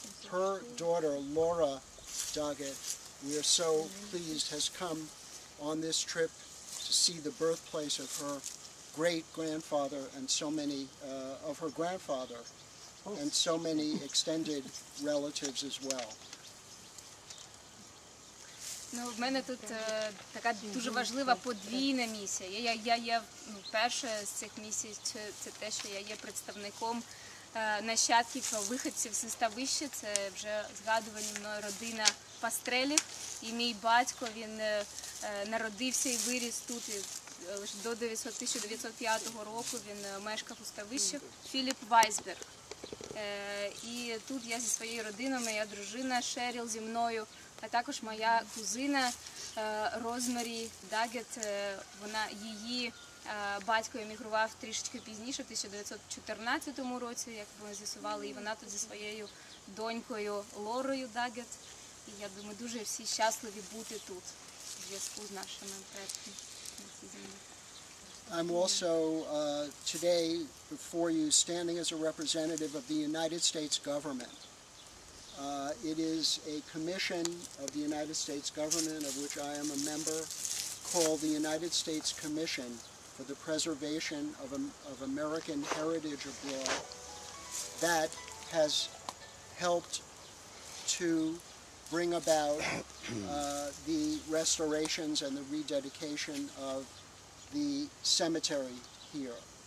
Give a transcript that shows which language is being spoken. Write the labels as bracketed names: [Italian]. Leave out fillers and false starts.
[English] Her daughter, Laura Doggett, we are so pleased, has come on this trip to see the birthplace of her great-grandfather and so many of her grandfather and so many extended relatives as well. [Ukrainian] Ну, в мене тут така дуже важлива подвійна місія. Я перша з цих місій, це те, що я є представником нащадків вихідців з Ставище, це вже згадувані мною родина Пастрелів, і мій батько, він народився і виріс тут, і лише до 1905 року він мешкав у Ставищі, Філіп Вайсберг. І тут я зі своєю родиною, моя дружина Шеріл зі мною, а також моя кузина Розмарі Даггет, вона її батько емігрував трішечки пізніше, в 1914 році, як ми з'ясували, і вона тут зі своєю донькою Лорою Даггет. І я думаю, дуже всі щасливі бути тут в зв'язку з нашими предками на цій землі. [English] I'm also today before you standing as a representative of the United States government. It is a commission of the United States government, of which I am a member, called the United States Commission for the Preservation of American Heritage Abroad, that has helped to bring about the restorations and the rededication of the cemetery here.